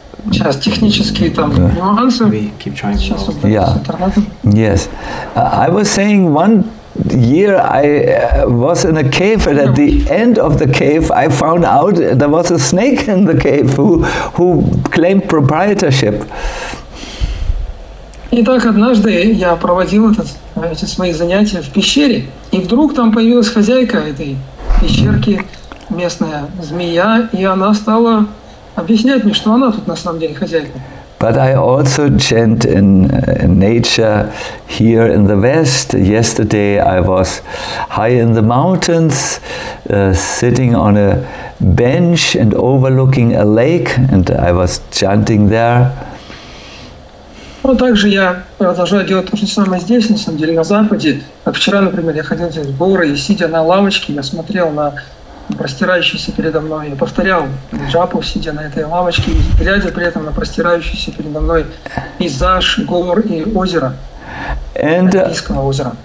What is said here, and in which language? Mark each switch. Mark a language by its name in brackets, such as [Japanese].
[Russian] Сейчас технические там нюансы. [English] We keep trying. [Russian] Сейчас вот. Yeah. [English] Yes, I was saying one year I was in a cave, and at the end of the cave, I found out there was a snake in the cave who claimed proprietorship. [Russian] Итак, однажды я проводил эти свои занятия в пещере, и вдруг там появилась хозяйка этой пещерки, местная змея, и она стала объяснять мне, что она тут на самом деле хозяйка. [English] But I also chant in nature here in the West. Yesterday I was high in the mountains, sitting on a bench and overlooking a lake, and I was chanting there. [Russian] Ну, также я продолжаю делать то же самое здесь, на самом деле, на Западе. Как вчера, например, я ходил здесь в горы, и сидя на лавочке, я смотрел на простирающуюся передо мной, я повторял джапу, сидя на этой лавочке, и глядя при этом на простирающийся передо мной пейзаж, гор и озеро, Каспийского озера.